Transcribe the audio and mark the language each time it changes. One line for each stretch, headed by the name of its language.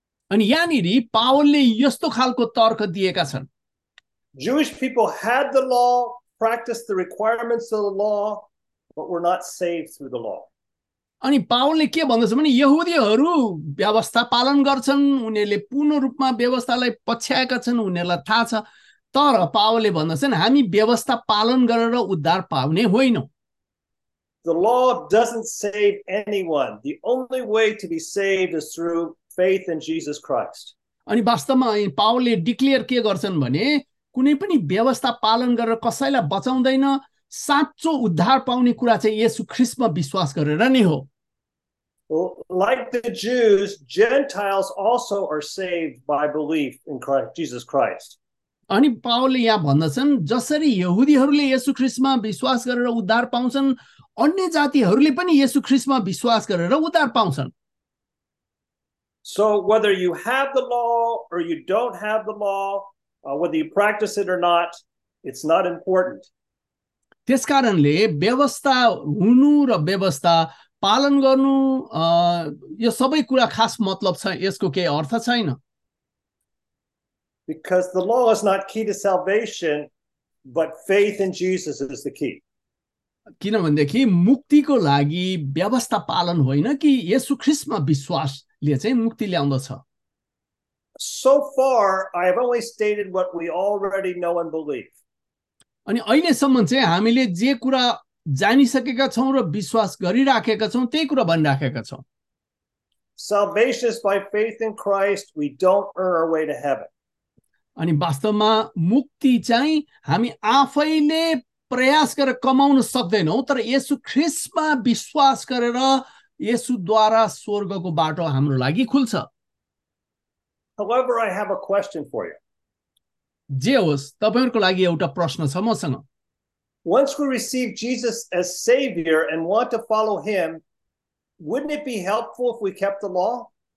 Nepali: अनि यहाँनिर पावलले यस्तो खालको तर्क दिएका छन्।
English: Jewish people had the law, practiced the requirements of the law, but were not saved through the law.
Nepali: अनि पावलले के भन्दछ भने यहुदीहरू व्यवस्था पालन गर्छन्, उनीहरूले पूर्ण रूपमा व्यवस्थालाई पछ्याएका छन्, उनीहरूलाई थाहा छ, तर पावलले भन्दछन् हामी व्यवस्था पालन गरेर उद्धार पाउने होइनौ।
English: The law doesn't save anyone. The only way to be saved is through faith in Jesus Christ.
Nepali: अनि वास्तवमा पावलले डिक्लेयर के गर्छन् भने कुनै पनि व्यवस्था पालन गरेर कसैलाई बचाउँदैन, साँच्चो उद्धार पाउने कुरा चाहिँ येशु ख्रिस्टमा विश्वास गरेर नै हो।
English: Like the Jews, Gentiles also are saved by belief in Christ, Jesus Christ.
Nepali: अनि पावलले यहाँ भन्दछन् जसरी यहुदीहरूले येशु ख्रिस्टमा विश्वास गरेर उद्धार पाउँछन्, अन्य जातिहरूले पनि येशु ख्रिस्टमा विश्वास गरेर उद्धार पाउँछन्।
English: So whether you have the law or you don't have the law, whether you practice it or not, it's not important.
Nepali: त्यसकारणले व्यवस्था हुनु र व्यवस्था पालन गर्नु यो सबै कुरा खास मतलब छ, यसको केही अर्थ छैन।
English: Because the law is not key to salvation, but faith in Jesus is the key.
Nepali: किनभनेदेखि मुक्तिको लागि व्यवस्था पालन होइन कि येशु ख्रिस्टमा विश्वास मुक्ति ल्याउँदछ।
English: So far, I have only stated what we already know and believe.
Nepali: अनि अहिलेसम्म चाहिँ हामीले जे कुरा जानिसकेका छौँ र विश्वास गरिराखेका छौँ त्यही कुरा भनिराखेका छौँ।
English: Salvation is by faith in Christ. We don't earn our way to heaven.
Nepali: अनि वास्तवमा मुक्ति चाहिँ हामी आफैले प्रयास गरेर कमाउन सक्दैनौँ, तर येशु ख्रिस्टमा विश्वास गरेर येशुद्वारा स्वर्गको बाटो हाम्रो लागि खुल्छ।
English: However, I have a question for you.
Nepali: जे होस् तपाईँहरूको लागि एउटा प्रश्न छ मसँग।
English: Once we receive Jesus as Savior and want to follow Him, wouldn't it be helpful if we kept the law?